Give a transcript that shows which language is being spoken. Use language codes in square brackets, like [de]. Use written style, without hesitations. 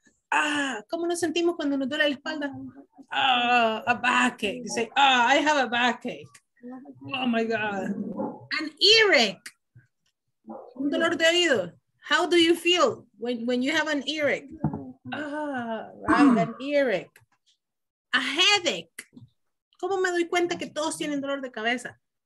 [es] Ah, ¿cómo nos sentimos cuando nos duele la espalda? [en] Ah, a backache. You say, ah, oh, I have a backache. Oh my God. An earache. [es] Un dolor de oído. [en] How do you feel when you have an earache? An earache. A headache. [es] ¿Cómo me doy cuenta que todos tienen dolor de cabeza?